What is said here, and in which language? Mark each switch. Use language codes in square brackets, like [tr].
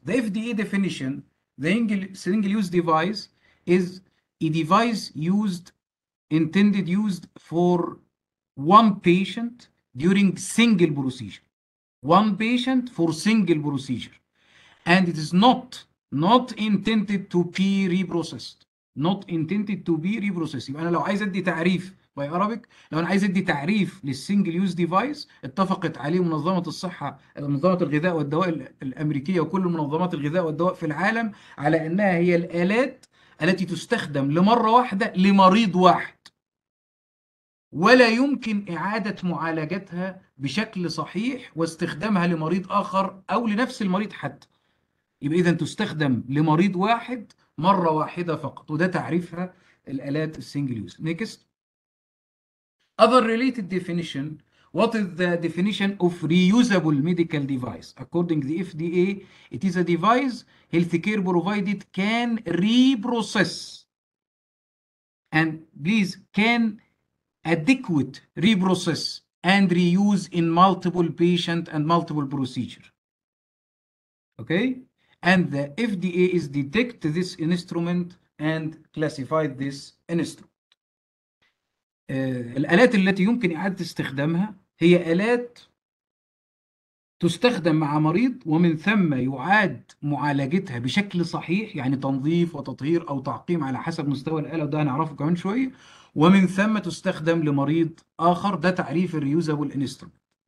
[en] The FDA definition, the single-use device is a device used, intended used for one patient during single procedure. One patient for single procedure. And it is not intended to be reprocessed. Not intended to be reprocessed. [ar] يبقى أنا لو عايز أدي تعريف باي أرابيك، لو أنا عايز أدي تعريف للسنجل يوز ديفايس اتفقت عليه منظمة الصحة، منظمة الغذاء والدواء الأمريكية وكل منظمات الغذاء والدواء في العالم على أنها هي الآلات التي تستخدم لمرة واحدة لمريض واحد، ولا يمكن إعادة معالجتها بشكل صحيح واستخدامها لمريض آخر أو لنفس المريض حتى. يبقى إذا تستخدم لمريض واحد مرة واحدة فقط، وده تعريفها الآلات السنجل يوز. [en] Next. Other related definition, what is the definition of reusable medical device? According to the FDA, it is a device healthcare provided can reprocess. And please, can adequate reprocess and reuse in multiple patient and multiple procedure. Okay? And the FDA is detect this instrument and classified this instrument. [ar] الآلات التي يمكن إعادة استخدامها هي آلات تستخدم مع مريض ومن ثم يعاد معالجتها بشكل صحيح، يعني تنظيف وتطهير أو تعقيم على حسب مستوى الآلة، وده هنعرفه كمان شوية، ومن ثم تستخدم لمريض آخر، ده تعريف reusable instrument.